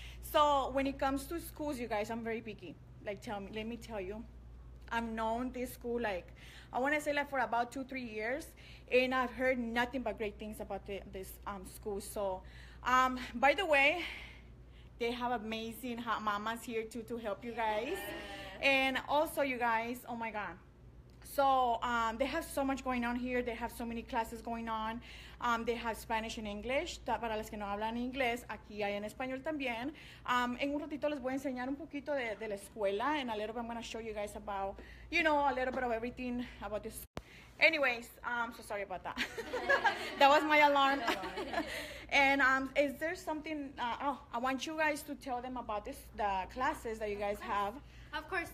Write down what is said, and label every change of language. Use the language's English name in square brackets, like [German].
[English] So when it comes to schools, you guys, I'm very picky. Like, let me tell you, I've known this school, like, I want to say, like, for about 2-3 years, and I've heard nothing but great things about this school. So, by the way, they have amazing hot mamas here, too, to help you guys. Yeah. And also, you guys, oh, my God. So they have so much going on here. They have so many classes going on. They have Spanish and English. [Spanish] Para las que no hablan inglés, aquí hay en español también. En un ratito les voy a enseñar un poquito de la escuela. [English] And a little bit, I'm going to show you guys about, you know, a little bit of everything about this. Anyways, I'm so sorry about that. That was my alarm. And is there something, I want you guys to tell them about this, the classes that you guys have. Of course.